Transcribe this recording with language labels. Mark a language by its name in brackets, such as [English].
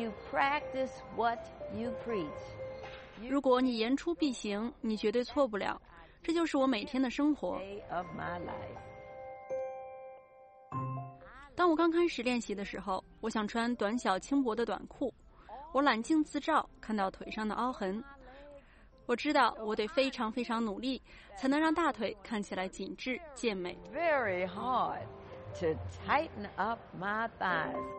[English] practice what you preach. [Chinese] 如果你言出必行，你绝对错不了。这就是我每天的生活。当我刚开始练习的时候，我想穿短小轻薄的短裤。我揽镜自照，看到腿上的凹痕。我知道我得非常非常努力，才能让大腿看起来紧致健美。 [English] Very hard to tighten up my thighs.